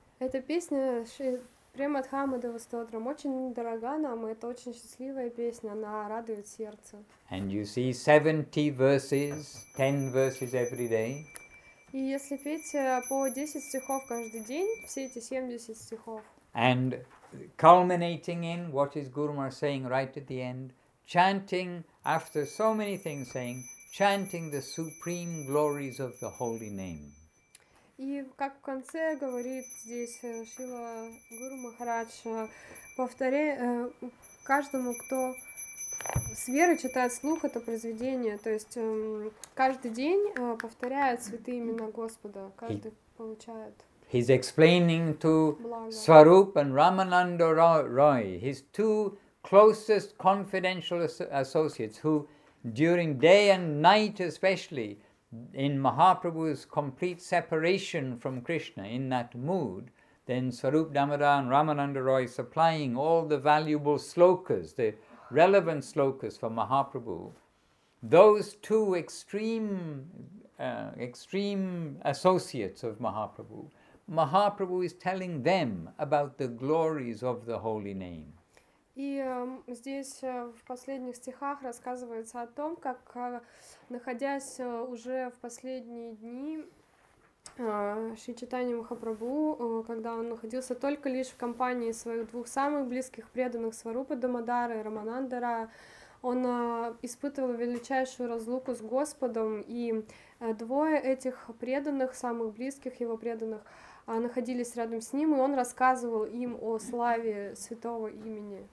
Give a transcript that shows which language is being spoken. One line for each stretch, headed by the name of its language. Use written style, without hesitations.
Russian: Эта песня Премадхама Дева Стотрам очень дорога нам, это очень счастливая песня, она радует сердце.
English: And you see 70 verses, 10 verses every day.
Russian: И если петь по 10 стихов каждый день, все эти 70 стихов.
English: And culminating in what is Guru Maharaj saying right at the end, chanting after so many things, saying, chanting the supreme glories of the holy name.
Russian: И как в конце говорит здесь Шрила Гуру Махарадж, повторяя каждому, кто с верой читает слух это произведение, то есть каждый день повторяет святые имена Господа, каждый получает.
English: He's explaining to Blanca. Swarup and Ramananda Roy, his two closest confidential associates, who during day and night, especially in Mahaprabhu's complete separation from Krishna in that mood, then Swarup Damodara and Ramananda Roy supplying all the valuable slokas, the relevant slokas for Mahaprabhu, those two extreme associates of Mahaprabhu, Mahaprabhu is telling them about the glories of the holy name.
Russian: И здесь в последних стихах рассказывается о том, как находясь уже в последние дни Шри Чайтанья Махапрабху, когда он находился только лишь в компании своих двух самых близких преданных Сварупы Дамодары и Раманандара, он испытывал величайшую разлуку с Господом, и двое этих преданных, самых близких его преданных, находились рядом с ним, и он рассказывал им о славе святого имени.